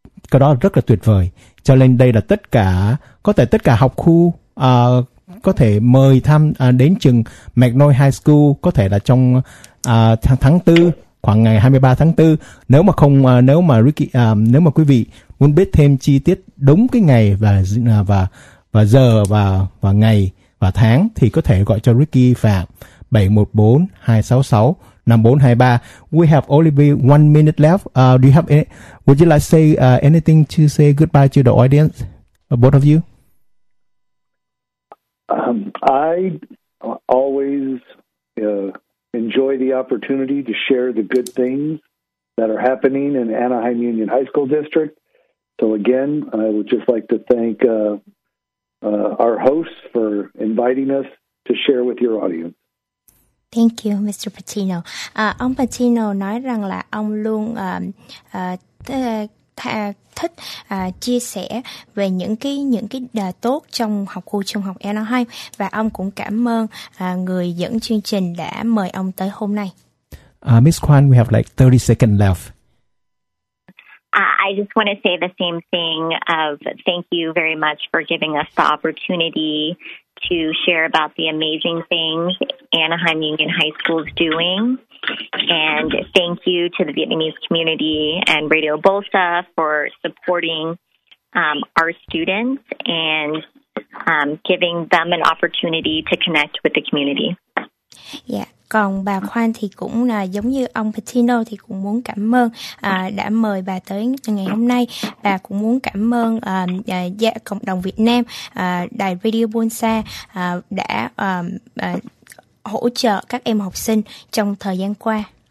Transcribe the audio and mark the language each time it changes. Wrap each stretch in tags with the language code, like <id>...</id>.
<vi>Cái đó rất là tuyệt vời. Cho nên đây là tất cả, có thể tất cả học khu có thể mời tham đến trường McNoy High School, có thể là trong tháng 4, khoảng ngày 23 tháng 4. Nếu mà không, nếu mà Ricky, nếu mà quý vị muốn biết thêm chi tiết đúng cái ngày và giờ và ngày và tháng thì có thể gọi cho Ricky Phạm 714-266-5423.</vi> <en>We have only been 1 minute left. Do you have any, would you like say anything to say goodbye to the audience, both of you? I always enjoy the opportunity to share the good things that are happening in Anaheim Union High School District. So again, I would just like to thank our hosts for inviting us to share with your audience. Thank you, Mr. Patino.</en> <vi>Ông Patino nói rằng là ông luôn thích chia sẻ về những cái tốt trong học khu trung học Anaheim, và ông cũng cảm ơn người dẫn chương trình đã mời ông tới hôm nay.</vi> <en>Ms. Kwan, we have like 30 seconds left. I just want to say the same thing of thank you very much for giving us the opportunity to share about the amazing things Anaheim Union High School is doing. And thank you to the Vietnamese community and Radio Bolsa for supporting our students and giving them an opportunity to connect with the community. Yeah.</en> <vi>Còn bà Khoan thì cũng giống như ông Patino thì cũng muốn cảm ơn đã mời bà tới ngày hôm nay. Bà cũng muốn cảm ơn cộng đồng Việt Nam, đài Radio Bonsa đã hỗ trợ các em học sinh trong thời gian qua.</vi>